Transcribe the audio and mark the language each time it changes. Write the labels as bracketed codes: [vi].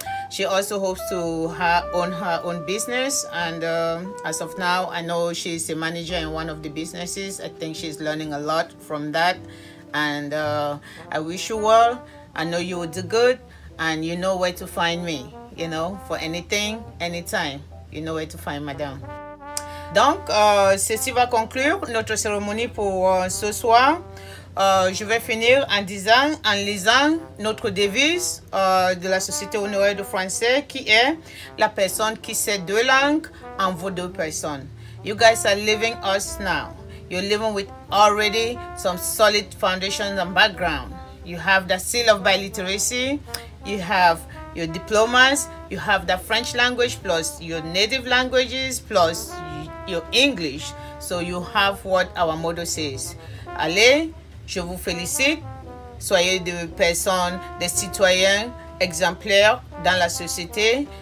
[en] She also hopes to own her own business. And as of now, I know she's a manager in one of the businesses. I think she's learning a lot from that. And I wish you well. I know you will do good. And you know where to find me, you know, for anything, anytime. You know where to find madame. [fr] Donc, ceci va conclure notre cérémonie pour ce soir. Je vais finir en lisant notre devise de la Société honoraire de français, qui est la personne qui sait deux langues en vaut deux personnes. [en] You guys are leaving us now. You're leaving with already some solid foundations and background. You have the seal of biliteracy. You have your diplomas, you have the French language plus your native languages plus your English. So you have what our motto says. [fr] Allez, je vous félicite. Soyez des personnes, des citoyens exemplaires dans la société.